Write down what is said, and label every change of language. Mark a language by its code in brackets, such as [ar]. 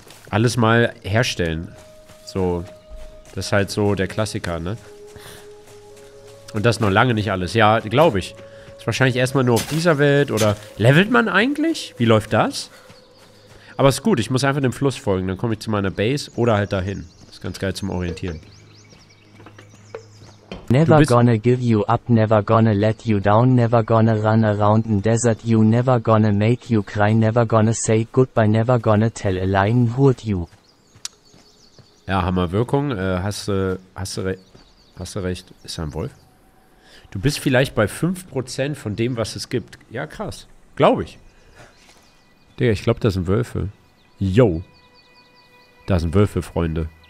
[de] alles mal herstellen. So. Das ist halt so der Klassiker, ne? Und das noch lange nicht alles. Ja, glaube ich. Ist wahrscheinlich erstmal nur auf dieser Welt oder... Levelt man eigentlich? Wie läuft das? Aber ist gut, ich muss einfach dem Fluss folgen. Dann komme ich zu meiner Base oder halt dahin. Ist ganz geil zum Orientieren. [en] Never gonna give you up, never gonna let you down, never gonna run around in desert you, never gonna make you cry, never gonna say goodbye, never gonna tell a lie hurt you. [de] Ja, Hammerwirkung, hast du recht, ist ein Wolf. Du bist vielleicht bei 5% von dem, was es gibt. Ja, krass, glaube ich. Digga, ich glaube, das sind Wölfe. Yo, da sind Wölfe, Freunde.